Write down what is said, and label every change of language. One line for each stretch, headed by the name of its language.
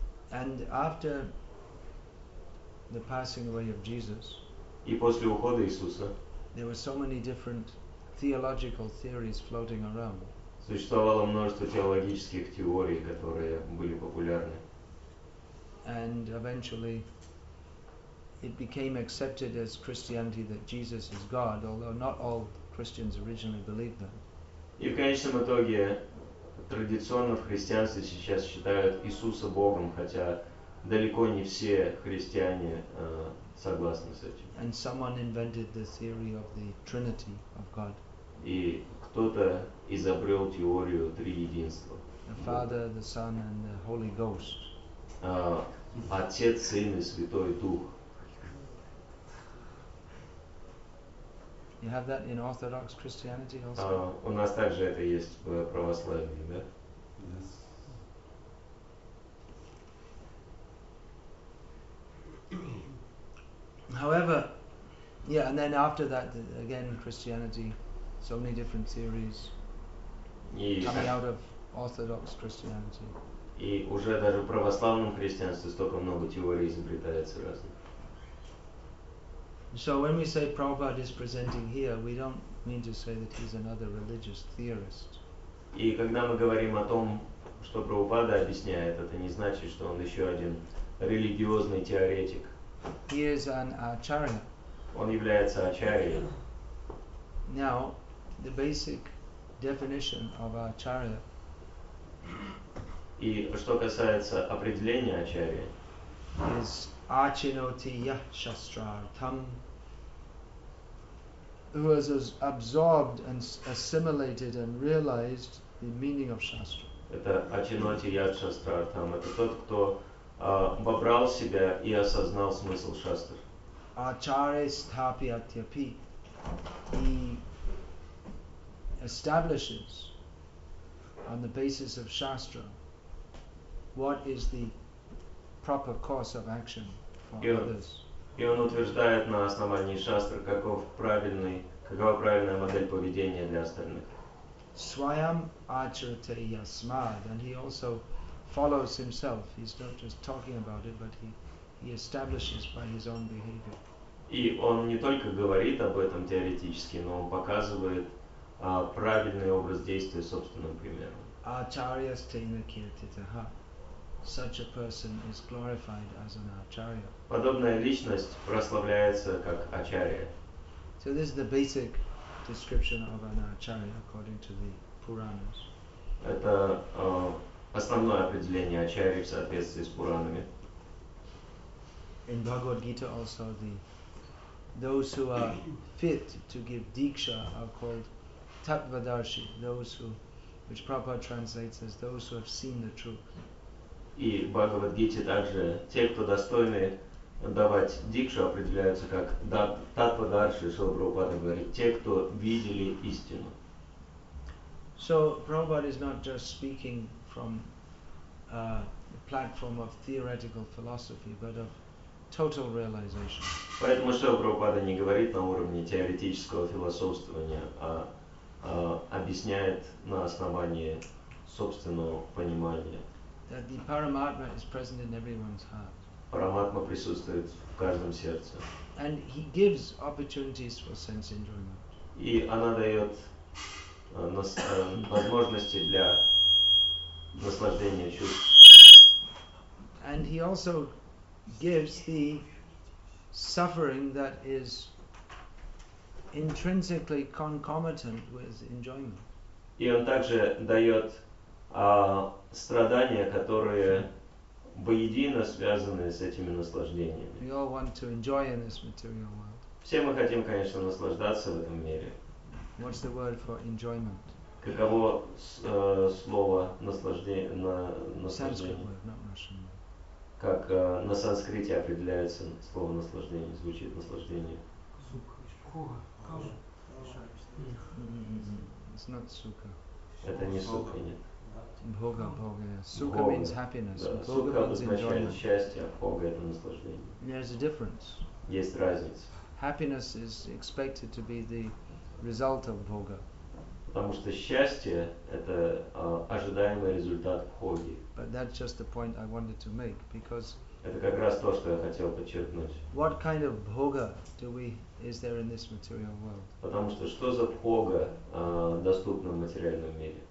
English: And after the passing away of Jesus,
Russian: и после ухода Иисуса,
English: there were so many different theological theories floating around.
Russian: Существовало множество теологических теорий, которые были популярны.
English: And eventually, it became accepted as Christianity that Jesus is God, although not all Christians originally believed that.
Russian: И в конечном итоге традиционно в христианстве сейчас считают Иисуса Богом, хотя далеко не все христиане согласны с этим.
English: And someone invented the theory of the Trinity of God.
Russian: И кто-то изобрел теорию триединства.
English: The Father, the Son, and the Holy Ghost.
Russian: Отец, Сын и Святой Дух.
English: You have that in Orthodox Christianity also?
Russian: У нас также это есть в православии, да?
English: Yes. However, yeah, and then after that, again, Christianity, so many different theories coming out of Orthodox Christianity.
Russian: И уже даже в православном христианстве столько много теорий изобретается разных.
English: So when we say Prabhupada is presenting here, we don't mean to say that he's another religious theorist.
Russian: И когда мы говорим о том, что Прабхупада объясняет, это не значит, что он еще один религиозный теоретик.
English: He is an acharya.
Russian: Он является ачарья.
English: Now, the basic definition of acharya.
Russian: И что касается определения ачарья.
English: Is
Sanskrit: Achinoti Yashastra Tam,
English: who has absorbed and assimilated and realized the meaning of Shastra.
Russian: Это
Sanskrit: Achinoti Yashastra Tam.
Russian: Это тот, кто вобрал в себя и осознал смысл Шастр.
Sanskrit: Achare Sthapyatyapi.
English: He establishes on the basis of Shastra what is the proper course of action.
Russian: И он утверждает на основании шастр, какова правильная модель поведения для остальных.
Sanskrit: Swayam acharate yasmad,
English: and he also follows himself. He's not just talking about it, but he establishes by his own behavior.
Russian: И он не только говорит об этом теоретически, но он показывает правильный образ действия собственным примером.
Sanskrit: Acharyas tena kirtitaha.
English: Such a person is glorified as an acharya.
Russian: Подобная личность прославляется как ачарья.
English: So this is the basic description of an acharya according to the Puranas.
Russian: Это основное определение ачарьи в соответствии с Пуранами.
English: In Bhagavad Gita also those who are fit to give diksha are called tattvadarshi, which Prabhupada translates as those who have seen the truth.
Russian: И в Бхагавад-гите также те, кто достойны давать дикшу, определяются как таттва-дарши, Шрила Прабхупада говорит, те, кто видели истину.
English: So, Prabhupada is not just speaking from the platform of theoretical philosophy, but of total realization.
Russian: Поэтому Шрила Прабхупада не говорит на уровне теоретического философствования, а объясняет на основании собственного понимания.
English: That the Paramatma is present in everyone's heart.
Russian: Параматма присутствует в каждом сердце.
English: And he gives opportunities for sense enjoyment.
Russian: И она дает возможности для наслаждения чувств.
English: And he also gives the suffering that is intrinsically concomitant with enjoyment.
Russian: И он также дает страдания, которые воедино связаны с этими наслаждениями.
English: We all want to enjoy in this material world.
Russian: Все мы хотим, конечно, наслаждаться в этом мире.
English: What's the word for enjoyment?
Russian: Каково слово наслаждение на наслаждение?
English: Word, not Russian word.
Russian: Как на санскрите определяется слово наслаждение, звучит наслаждение.
English: It's not sukha.
Russian: Это не сукха, нет.
Sanskrit: Бхога, бхога.
English: Сука means happiness.
Russian: Да. Сука означает счастье, а бхога это наслаждение.
English: There's a difference.
Russian: Есть разница.
English: Happiness is expected to be the result of бхога.
Russian: Потому что счастье это ожидаемый результат бхоги.
English: But that's just the point I wanted to make, because
Russian: это как раз то, что я хотел подчеркнуть.
English: What kind of бхога is there in this material world?
Russian: Потому что за бхога доступно в материальном мире?